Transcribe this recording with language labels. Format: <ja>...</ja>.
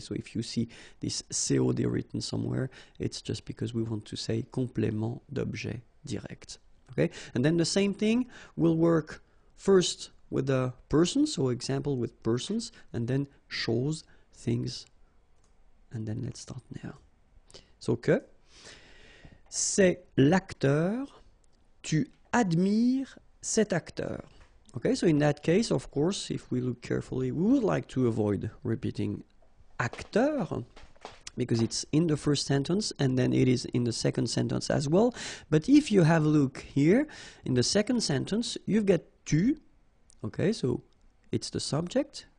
<en>So if you see this COD written somewhere, it's just because we want to say complément d'objet direct. Okay, and then the same thing will work first with the person, so example with persons, and then shows things, and then let's start now.</en> <fr>So que, c'est l'acteur, tu admires cet acteur.</fr> <en>Okay, so in that case, of course, if we look carefully, we would like to avoid repeating acteur, because it's in the first sentence and then it is in the second sentence as well. But if you have a look here in the second sentence, you've got tu, okay, so it's the subject.</en>